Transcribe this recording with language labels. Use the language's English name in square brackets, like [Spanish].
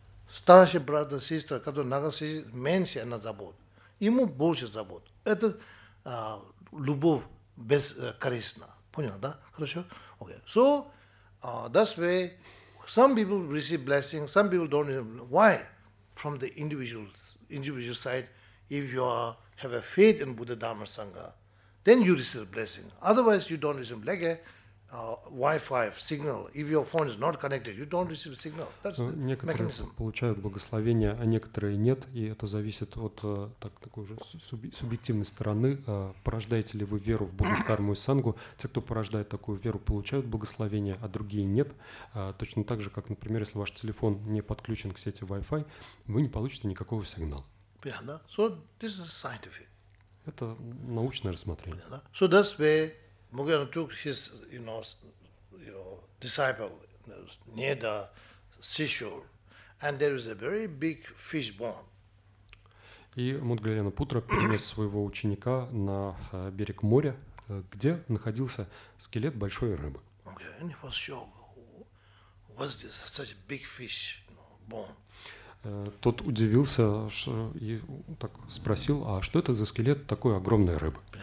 [Russian] Старший брат, сестра, который находится меньше, она забот. Ему больше забот. Это любовь бескорыстна. Понял, да? Хорошо? [English] Okay. So, that's why some people receive blessing, some people don't receive. Why? From the individual side, if you have a faith in Buddha, Dharma, Sangha, then you receive a blessing. Otherwise, you don't receive like a Wi-Fi signal. If your phone is not connected, you don't receive a signal. That's the mechanism. [Russian] Некоторые получают благословение, а некоторые нет, и это зависит от такой уже субъективной стороны. Порождаете ли вы веру в Будду, Карму и Сангу? Те, кто порождает такую веру, получают благословение, а другие нет. Точно так же, как, например, если ваш телефон не подключен к сети Wi-Fi, вы не получите никакого сигнала. [English] So this is scientific. [Russian] Это научное рассмотрение. [English] So that's where Mugana took his, you know, disciple, near the seashore, and there was a very big fish bone. [Russian] И Мудгалена Путра перенес своего ученика на берег моря, где находился скелет большой рыбы. [English] Okay, and he was shocked. What's this? Such a big fish, you know, bone. [Russian] Тот удивился и так спросил, а что это за скелет такой огромной рыбы?